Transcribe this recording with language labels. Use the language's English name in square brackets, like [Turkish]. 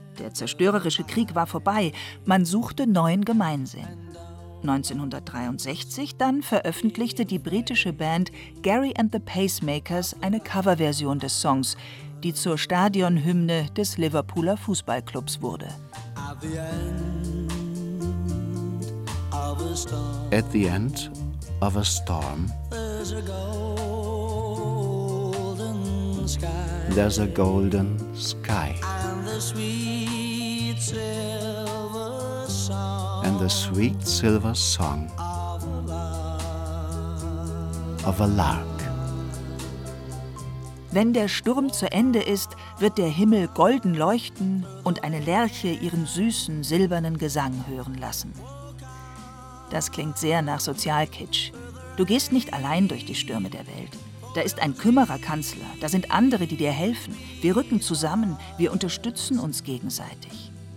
[German] Der zerstörerische Krieg war vorbei, man suchte neuen Gemeinsinn. 1963 dann veröffentlichte die britische Band Gary and the Pacemakers eine Coverversion des Songs, die zur Stadionhymne des Liverpooler Fußballclubs wurde. [English] At the end of a storm, there's a golden sky. And the sweet silver song of a lark. [German] Wenn der Sturm zu Ende ist, wird der Himmel golden leuchten und eine Lerche ihren süßen, silbernen Gesang hören lassen. Das klingt sehr nach Sozialkitsch. Du gehst nicht allein durch die Stürme der Welt. Da ist ein Kümmererkanzler, da sind andere, die dir helfen. Wir rücken zusammen, wir unterstützen uns gegenseitig.